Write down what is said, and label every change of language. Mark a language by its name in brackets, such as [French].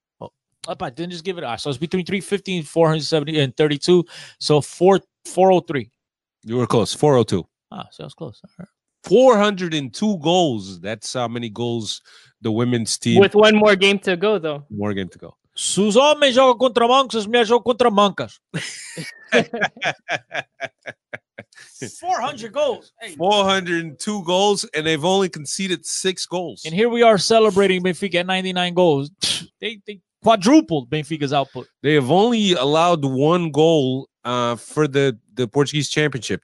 [English] Oh, up, I didn't just give it. So it's between 350 and 470 and 32. So 403. You were close. 402. Ah, so I was close. All right. 402 goals. That's how many goals the women's team... With one more game to go, though. More game to go. [Portuguese] Se os homens jogam contra mancos, as mulheres jogam contra mancas. [English] 400 goals. Hey. 402 goals, and they've only conceded 6 goals. And here we are celebrating Benfica at 99 goals. They quadrupled Benfica's output. They have only allowed one goal for the Portuguese championship.